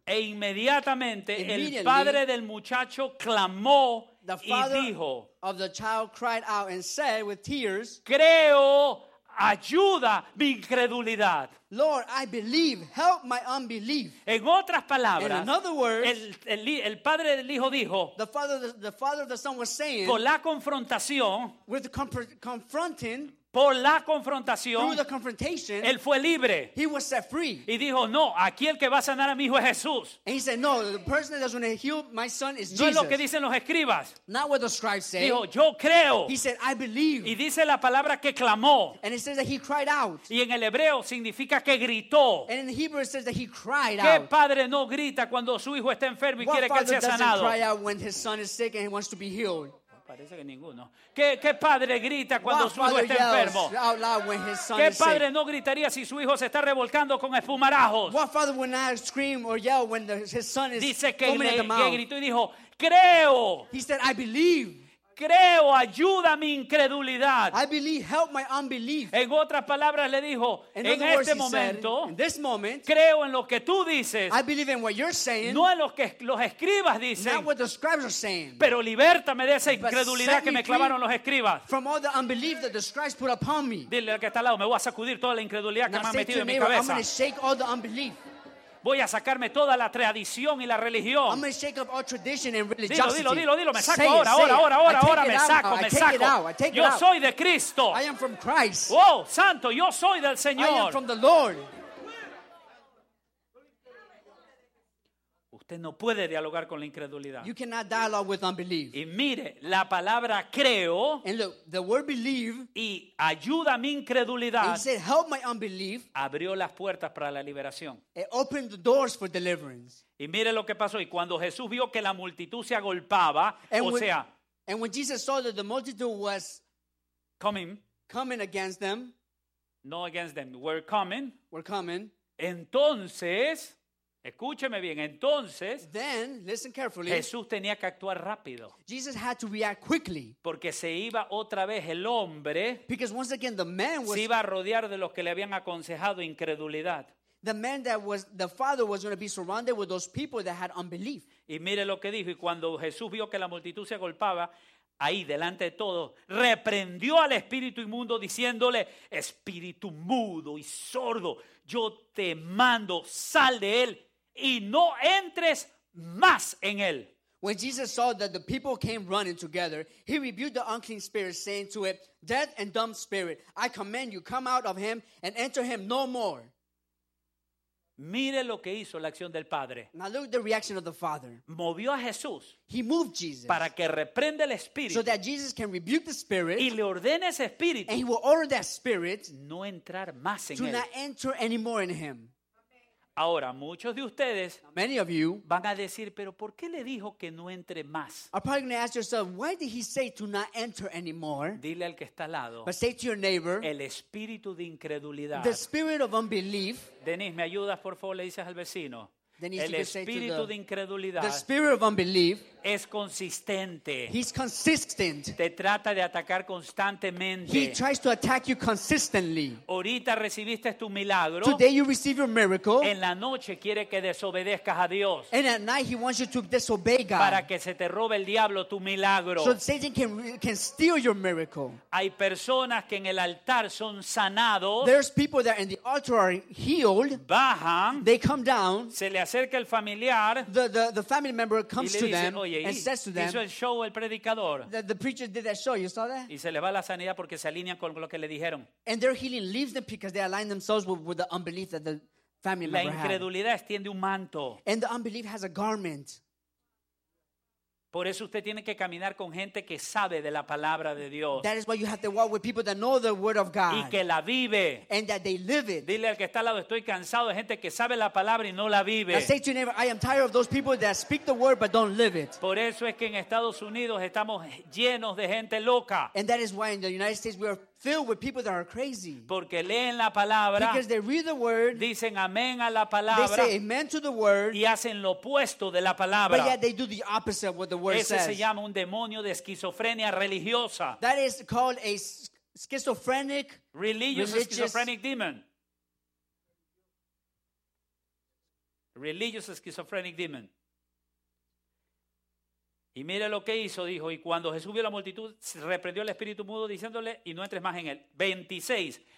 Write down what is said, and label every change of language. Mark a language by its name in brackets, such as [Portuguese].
[Spanish] E inmediatamente el padre del muchacho clamó y dijo, [English] of the child cried out and said with tears, [Spanish] creo, ayuda mi incredulidad. [English] Lord, I believe. Help my unbelief. [Spanish] En otras palabras, [English] in other words, [Spanish] el padre del hijo dijo, [English] the father of the son was saying, [Spanish] con la confrontación, [English] with confronting, [Spanish] Por la confrontación, [English] through the confrontation, [Spanish] él fue libre. [English] He was set free. [Spanish] Y dijo, no, aquí el que va a sanar a mi hijo es Jesús. [English] And he said, no, the person that doesn't heal my son is Jesus. [Spanish] No es lo que dicen los escribas. [English] Not what the scribes say. [Spanish] Dijo, yo creo. [English] He said, I believe. [Spanish] Y dice la palabra que clamó. [English] And it says that he cried out. [Spanish] Y en el hebreo significa que gritó. [English] And in the Hebrew it says that he cried out. [Spanish] ¿Qué padre no grita cuando su hijo está enfermo y [English] what [Spanish] quiere que él sea sanado? [English] What father doesn't cry out when his son is sick and he wants to be healed? [Spanish] Parece que ninguno. ¿Qué padre grita cuando su hijo está enfermo? ¿Qué padre no gritaría si su hijo se está revolcando con espumarajos? [English] What father would not scream or yell when his son is [Spanish] dice que gritó y dijo, creo. [English] He said, I believe. [Spanish] Creo, ayuda mi incredulidad. [English] I believe, help my unbelief. [Spanish] En otras palabras le dijo, en este momento, [English] said, in this moment, [Spanish] creo en lo que tú dices. [English] I believe in what you're saying. [Spanish] No en lo que los escribas dicen. [English] Not what the scribes are saying. [Spanish] Pero libértame de esa incredulidad que me clavaron los escribas. [English] From all the unbelief that the scribes put upon me. [Spanish] Dile al que está al lado, me voy a sacudir toda la incredulidad que me han metido en mi cabeza. [English] I'm going to shake all the unbelief. [Spanish] Voy a sacarme toda la tradición y la religión. [English] I'm going to shake up all tradition and religiosity. [Spanish] Dilo, me saco ahora, me saco. Yo soy de Cristo. [English] I am from Christ. [Spanish] Oh, santo, yo soy del Señor. [English] I am from the Lord. [Spanish] Usted no puede dialogar con la incredulidad. [English] You cannot dialogue with unbelief. [Spanish] Y mire, la palabra creo. [English] And look, the word believe. [Spanish] Y ayuda a mi incredulidad. [English] He said, help my unbelief. [Spanish] Abrió las puertas para la liberación. [English] It opened the doors for deliverance. [Spanish] Y mire lo que pasó. Y cuando Jesús vio que la multitud se agolpaba, [English] And when Jesus saw that the multitude was coming against them. No against them, were coming. Were coming. [Spanish] Entonces, escúcheme bien, entonces [English] then, listen carefully, [Spanish] Jesús tenía que actuar rápido. [English] Jesus had to react quickly, [Spanish] porque se iba otra vez el hombre, [English] because once again the man was, [Spanish] se iba a rodear de los que le habían aconsejado incredulidad. [English] The man that was the father was going to be surrounded with those people that had unbelief. [Spanish] Y mire lo que dijo, y cuando Jesús vio que la multitud se agolpaba ahí delante de todos, reprendió al espíritu inmundo diciéndole, espíritu mudo y sordo, yo te mando, sal de él y no entres más en él. [English] When Jesus saw that the people came running together, he rebuked the unclean spirit, saying to it, dead and dumb spirit, I command you, come out of him and enter him no more. [Spanish] Mire lo que hizo la acción del Padre. [English] Now look at the reaction of the Father. [Spanish] Movió a Jesús. [English] He moved Jesus. [Spanish] Para que reprenda el Espíritu. [English] So that Jesus can rebuke the Spirit. [Spanish] Y le ordene ese Espíritu. [English] And he will order that Spirit. [Spanish] No entrar más en [English] to [Spanish] él. [English] To not enter anymore in him. [Spanish] Ahora, muchos de ustedes [English] many of you [Spanish] van a decir, pero ¿por qué le dijo que no entre más? [English] Are probably going to ask yourself, why did he say to not enter anymore? [Spanish] Dile al que está al lado, [English] but say to your neighbor, [Spanish] el espíritu de incredulidad, [English] the spirit of unbelief. [Spanish] Denise, ¿me ayudas, por favor? Le dices al vecino. [English] Denise, [Spanish] el espíritu de incredulidad, [English] the spirit of unbelief, [Spanish] es consistente. [English] He's consistent. [Spanish] Te trata de atacar constantemente. [English] He tries to attack you consistently. [Spanish] Ahorita recibiste tu milagro. [English] Today you receive your miracle. [Spanish] En la noche quiere que desobedezcas a Dios. [English] And at night he wants you to disobey God. [Spanish] Para que se te robe el diablo tu milagro. [English] So Satan can steal your miracle. [Spanish] Hay personas que en el altar son sanados. [English] There's people that in the altar are healed. [Spanish] Bajan. [English] They come down. [Spanish] Se le acerca el familiar. [English] The family member comes to them. [Spanish] Oye, [English] and says to them, [Spanish] hizo el show el predicador. [English] The preacher did that show. You saw that? [Spanish] Y se le va la sanidad porque se alinean con lo que le dijeron. [English] And their healing leaves them because they align themselves with the unbelief that the family member had. [Spanish] La incredulidad extiende un manto. [English] And the unbelief has a garment. [Spanish] Por eso usted tiene que caminar con gente que sabe de la palabra de Dios. [English] That is why you have to walk with people that know the word of God. [Spanish] Y que la vive. [English] And that they live it. [Spanish] Dile al que está al lado, estoy cansado de gente que sabe la palabra y no la vive. [English] I say to your neighbor, I am tired of those people that speak the word but don't live it. [Spanish] Por eso es que en Estados Unidos estamos llenos de gente loca. [English] And that is why in the United States we are filled with people that are crazy. [Spanish] Porque leen la palabra. [English] Because they read the word. [Spanish] Dicen amén a la palabra. [English] They say amen to the word. [Spanish] Y hacen lo opuesto de la palabra. [English] But yet they do the opposite of what the word [Spanish] ese [English] says. [Spanish] Ese se llama un demonio de esquizofrenia religiosa. [English] That is called a schizophrenic religious schizophrenic demon. Religious schizophrenic demon. [Spanish] Y mire lo que hizo, dijo, y cuando Jesús vio la multitud, reprendió el espíritu mudo diciéndole, y no entres más en él. 26.